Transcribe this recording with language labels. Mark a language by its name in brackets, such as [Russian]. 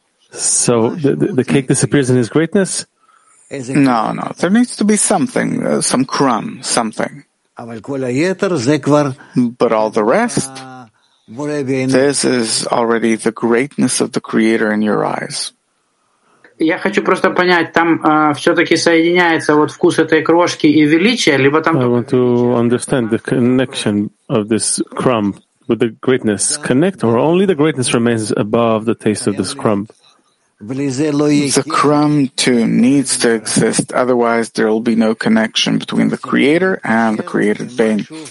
[English] So the cake disappears in his greatness? No, no. There needs to be something, some crumb, something. But all the rest, this is already the greatness of the Creator in your eyes. [Russian] Я хочу просто понять, там все-таки соединяется вот вкус этой крошки и величие, либо там. [English] I want to understand the connection of this crumb with the greatness. Connect, or only the greatness remains above the taste of this crumb. The crumb too needs to exist, otherwise there will be no connection between the Creator and the created being.